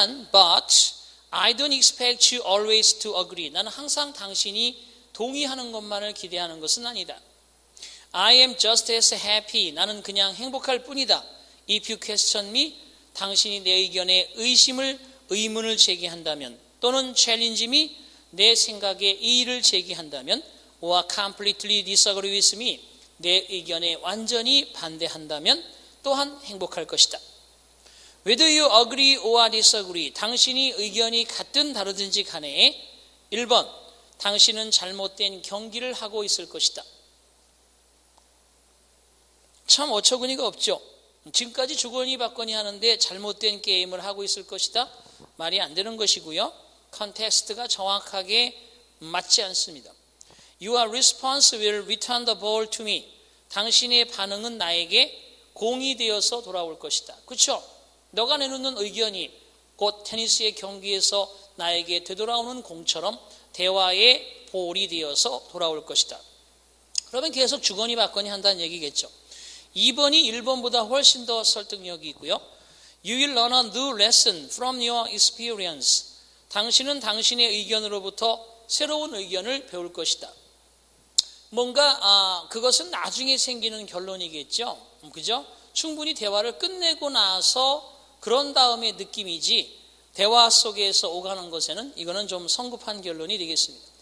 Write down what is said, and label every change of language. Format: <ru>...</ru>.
<en>But I don't expect you always to agree.</en> <ko>나는 항상 당신이 동의하는 것만을 기대하는 것은 아니다.</ko> <en>I am just as happy.</en> <ko>나는 그냥 행복할 뿐이다.</ko> <en>If you question me,</en> <ko>당신이 내 의견에 의문을 제기한다면, 또는</ko> <en>challenge me,</en> <ko>내 생각에 이의를 제기한다면,</ko> <en>or completely disagree with me,</en> <ko>내 의견에 완전히 반대한다면, 또한 행복할 것이다.</ko> <en>Whether you agree or disagree,</en> <ko>당신이 의견이 같든 다르든지 간에, 1번, 당신은 잘못된 경기를 하고 있을 것이다. 참 어처구니가 없죠. 지금까지 주거니 받거니 하는데 잘못된 게임을 하고 있을 것이다? 말이 안 되는 것이고요. 컨텍스트가 정확하게 맞지 않습니다.</ko> <en>Your response will return the ball to me.</en> <ko>당신의 반응은 나에게 공이 되어서 돌아올 것이다. 그렇죠? 너가 내놓는 의견이 곧 테니스의 경기에서 나에게 되돌아오는 공처럼 대화의 볼이 되어서 돌아올 것이다. 그러면 계속 주거니 받거니 한다는 얘기겠죠. 2번이 1번보다 훨씬 더 설득력이 있고요.</ko> <en>You will learn a new lesson from your experience.</en> <ko>당신은 당신의 의견으로부터 새로운 의견을 배울 것이다. 뭔가, 그것은 나중에 생기는 결론이겠죠. 그죠? 충분히 대화를 끝내고 나서 그런 다음에 느낌이지, 대화 속에서 오가는 것에는 이거는 좀 성급한 결론이 되겠습니다.</ko>